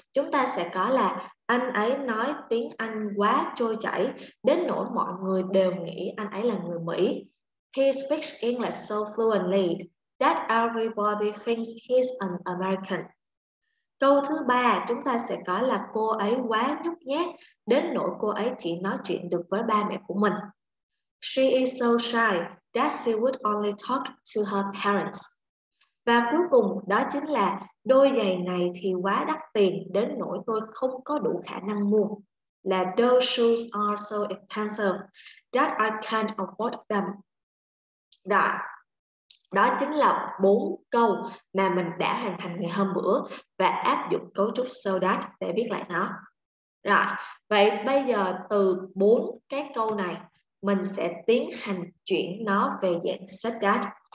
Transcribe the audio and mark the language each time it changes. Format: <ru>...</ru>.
<vi>Chúng ta sẽ có là anh ấy nói tiếng Anh quá trôi chảy, đến nỗi mọi người đều nghĩ anh ấy là người Mỹ.</vi> <en>He speaks English so fluently that everybody thinks he's an American.</en> <vi>Câu thứ ba, chúng ta sẽ có là cô ấy quá nhút nhát, đến nỗi cô ấy chỉ nói chuyện được với ba mẹ của mình.</vi> <en>She is so shy that she would only talk to her parents.</en> <vi>Và cuối cùng đó chính là đôi giày này thì quá đắt tiền đến nỗi tôi không có đủ khả năng mua.</vi> <en>Là those shoes are so expensive that I can't afford them.</en> <vi>Đó. Đó chính là bốn câu mà mình đã hoàn thành ngày hôm bữa và áp dụng cấu trúc so that để viết lại nó. Rồi, vậy bây giờ từ bốn cái câu này mình sẽ tiến hành chuyển nó về dạng such that.</vi>